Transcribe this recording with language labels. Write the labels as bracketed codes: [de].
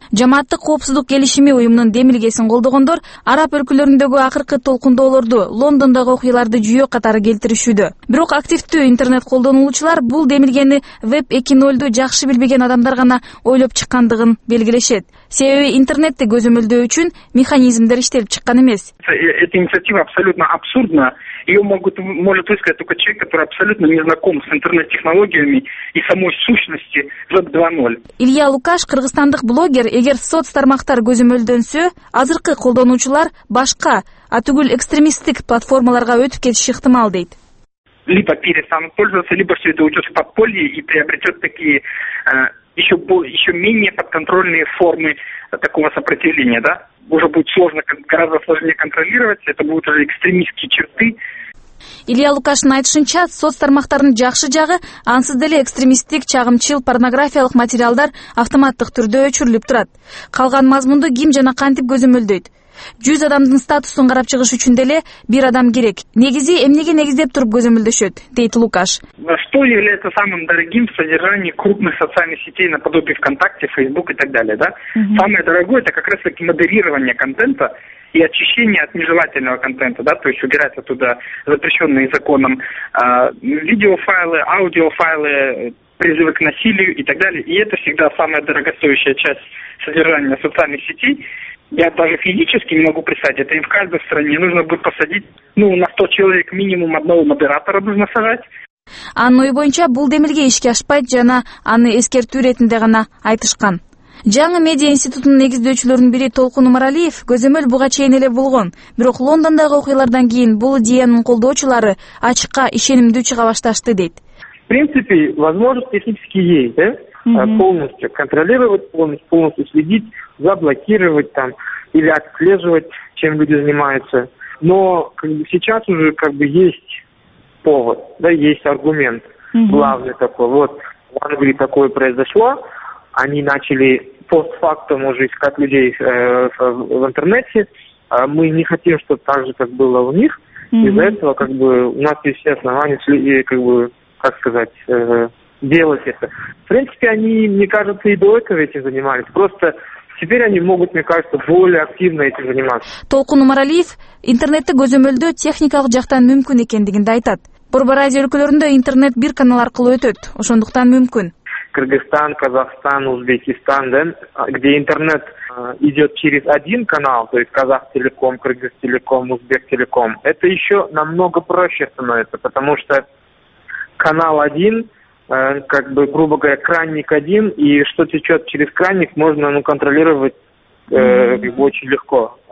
[ky] Жамааттык коопсуздук келишими уюмунун демилгесин колдогондор араб өлкөлөрүндөгү акыркы толкундоолорду, Лондондогу окуяларды жүйө катары келтиришүүдө. Бирок активдүү интернет колдонуучулар бул демилгени Web 2.0'ду жакшы билбеген адамдар гана ойлоп чыккандыгын белгилешет. Себеби интернетти көзөмөлдөө үчүн механизмдер иштелип чыккан эмес. [ru] Эта инициатива абсолютно абсурдна. Её может высказать только человек, который абсолютно не знаком с интернет-технологиями и самой сущности Web 2.0. [ky] Илья Лукаш, кыргызстандык блогер, эгер соц тармактар көзөмөлдөнсө, азыркы колдонуучулар башка, атүгүл экстремисттик платформаларга өтүп кетиши ыктымал дейт. [ru] Либо перестанут пользоваться, либо всё это уйдёт в подполье и приобретёт такие ещё менее подконтрольные формы такого сопротивления, да? Уже будет сложно, гораздо сложнее контролировать, это будут уже экстремистские черты. [ky] Илья Лукашынын айтышынча, соц тармактардын жакшы жагы, ансыз деле экстремисттик, чагымчыл, порнографиялык материалдар автоматтык түрдө өчүрүлүп турат. Калган мазмунду ким жана кантип көзөмөлдөйт? 100 адамдын статусун карап чыгыш үчүн деле бир адам керек. Негизи эмнеге негиздеп туруп көзөмөлдөшөт, дейт Лукаш. [ru] Что является самым дорогим в содержании крупных социальных сетей наподобие ВКонтакте, Фейсбук и так далее, да? Самое дорогое это как раз таки модерирование контента и очищение от нежелательного контента, да, то есть убирать оттуда запрещенные законом видеофайлы, аудиофайлы, призывы к насилию и так далее. И это всегда самая дорогостоящая часть содержания социальных сетей. Я даже физически не могу представить, это и в каждой стране нужно будет посадить, на 100 человек минимум одного модератора нужно сажать. [ky] Анын ой боюнча бул демилге ишке ашпайт жана аны эскертүү иретинде гана айтышкан. Жаңы медиа институтунун негиздөөчүлөрүнүн бири Толкун Умаралиев көзөмөл буга чейин эле болгон. Бирок Лондондогу окуялардан кийин бул идеянын колдоочулары ачыкка ишенимдүү чыга башташты дейт. [ru] В принципе, возможность технически есть, да? Полностью контролировать, полностью следить, заблокировать там или отслеживать, чем люди занимаются. Но сейчас уже как бы есть повод, да, есть аргумент главный такой. Вот в Англии такое произошло. Они начали постфактум уже искать людей в интернете. Мы не хотим, чтобы так же, как было у них. Из-за этого как бы у нас есть все основания следить, как бы, как сказать, делать это. В принципе, они, мне кажется, и до этого этим занимались. Просто теперь они могут, мне кажется, более активно этим заниматься. [ky] Толкун Умаралиев интернетте көзөмөлдөө техникалык жактан мүмкүн экендигин да айтат. Борбор Азия өлкөлөрүндө интернет бир канал аркылуу өтөт. Ошондуктан мүмкүн. [ru] Кыргызстан, Казахстан, Узбекистан, да, где интернет идет через один канал, то есть Казахтелеком, Кыргызтелеком, Узбектелеком, это еще намного проще становится, потому что канал один, как бы, грубо говоря, кранник один, и что течет через кранник, можно контролировать очень легко.